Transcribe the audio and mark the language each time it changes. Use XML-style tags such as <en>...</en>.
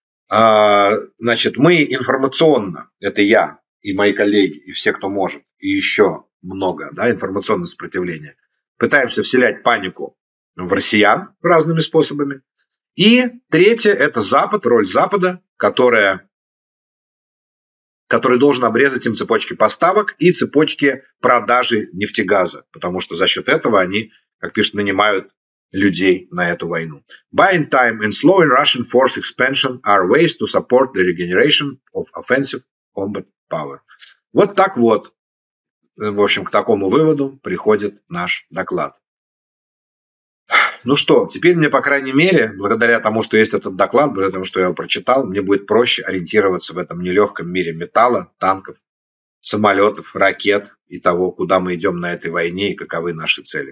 <ru>Значит, мы информационно, это я и мои коллеги, и все, кто может, и еще много, да, информационного сопротивления, пытаемся вселять панику в россиян разными способами. И третье – это Запад, роль Запада, который должен обрезать им цепочки поставок и цепочки продажи нефтегаза, потому что за счет этого они, как пишут, нанимают людей на эту войну.</ru> <en>Buying time and slowing Russian force expansion are ways to support the regeneration of offensive combat power.</en> <ru>Вот так вот, в общем, к такому выводу приходит наш доклад. Ну что, теперь мне, по крайней мере, благодаря тому, что есть этот доклад, благодаря тому, что я его прочитал, мне будет проще ориентироваться в этом нелегком мире металла, танков, самолетов, ракет и того, куда мы идем на этой войне и каковы наши цели.</ru>